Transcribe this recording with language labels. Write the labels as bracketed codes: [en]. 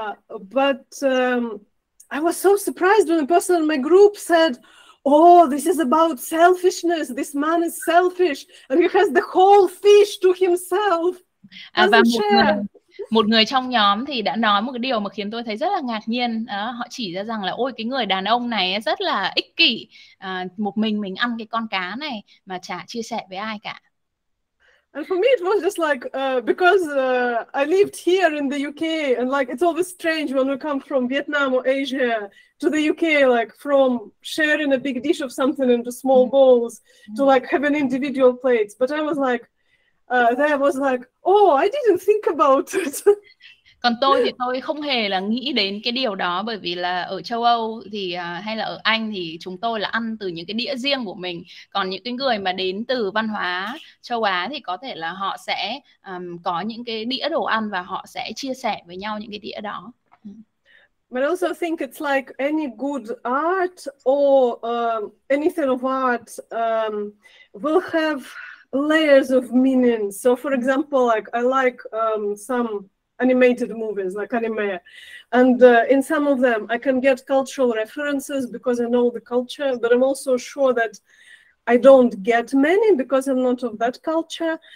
[en] I was so surprised when a person in my group said, "Oh, this is about selfishness. This man is selfish and he has the whole fish to himself." [vi] Một người trong nhóm thì đã nói một cái điều mà khiến tôi thấy rất là ngạc nhiên. Họ chỉ ra rằng là ôi cái người đàn ông này rất là ích kỷ. Một mình ăn cái con cá này mà chả chia sẻ với ai cả. [en] And for me it was just like because I lived here in the UK and like it's always strange when we come from Vietnam or Asia to the UK, like from sharing a big dish of something into small bowls to like having individual plates. But I was like, there was like, oh, I didn't think about it. [vi] Còn tôi thì tôi không hề là nghĩ đến cái điều đó, bởi vì là ở châu Âu thì hay là ở Anh thì chúng tôi là ăn từ những cái đĩa riêng của mình. Còn những cái người mà đến từ văn hóa châu Á thì có thể là họ sẽ có những cái đĩa đồ ăn và họ sẽ chia sẻ với nhau những cái đĩa đó. [en] But also think it's like any good art or anything of art will have layers of meaning. So for example, like I like some animated movies like anime, and in some of them I can get cultural references because I know the culture, but I'm also sure that I don't get many because I'm not of that culture.